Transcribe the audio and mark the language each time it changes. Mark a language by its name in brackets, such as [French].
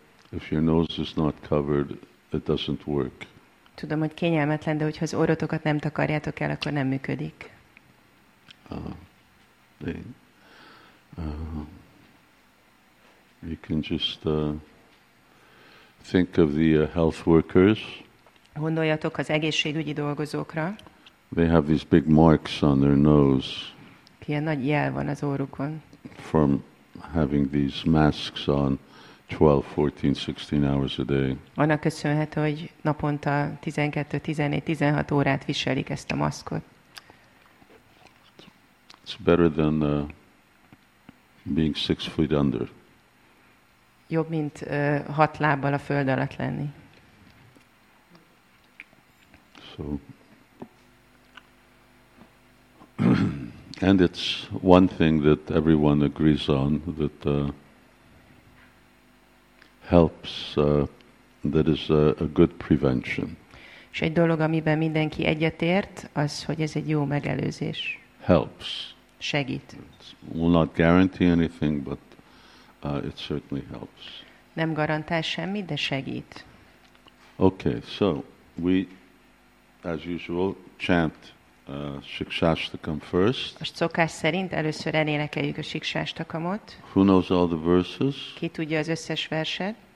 [English] If your nose is not covered, it doesn't work. [Hungarian] Tudom, hogy kényelmetlen, de hogyha az orrotokat nem takarjátok el, akkor nem működik. [English] You can just think of the health workers. [Hungarian] Gondoljatok az egészségügyi dolgozókra. [English] They have these big marks on their nose. [Hungarian] Ilyen nagy jel van az orrukon. [English] From having these masks on. 12, 14, 16 hours a day. [Hungarian] Annak köszönhető, hogy naponta 12, 14, 16 órát viselik ezt a maszkot. [English] It's better than being 6 feet under. [Hungarian] Jobb, mint 6 lábbal a föld alatt lenni. [English] So. And it's one thing that everyone agrees on, that... helps that is a good prevention. [Hungarian] És egy dolog, amiben mindenki egyetért, az, hogy ez egy jó megelőzés. [English] Helps. [Hungarian] Segít. [English] Will not guarantee anything, but it certainly helps. [Hungarian] Nem garantál semmit, de segít. [English] Okay, so we, as usual, chant Shikshashtakam first. [Hungarian] A szokás szerint először elénekeljük a Shikshashtakamot. [English] Who knows all the verses? [Hungarian] Ki tudja az összes verset?